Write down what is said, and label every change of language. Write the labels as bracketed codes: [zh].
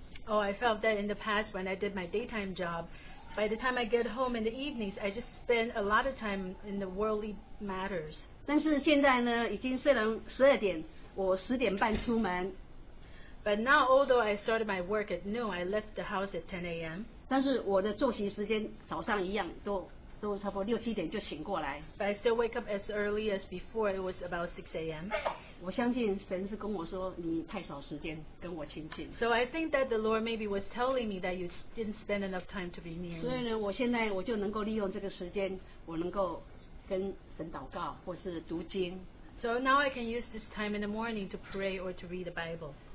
[en] I felt that in the past when I did my daytime job, by the time I get home in the evenings, I just spend a lot of time in the worldly matters. [zh] 但是现在呢,已经虽然12点,我10点半出门, [en] but now although I started my work at noon, I left the house at 10 a.m. [zh] 但是我的作息时间早上一样,都差不多6-7点就醒过来, [en] but I still wake up as early as before, it was about 6 a.m. [zh] 我相信神是跟我说,你太少时间跟我亲近。 [en] So I think that the Lord maybe was telling me that you didn't spend enough time to be near me. [zh] 所以呢,我现在我就能够利用这个时间,我能够 [en] So now I can use this time in the morning to pray or to read the Bible.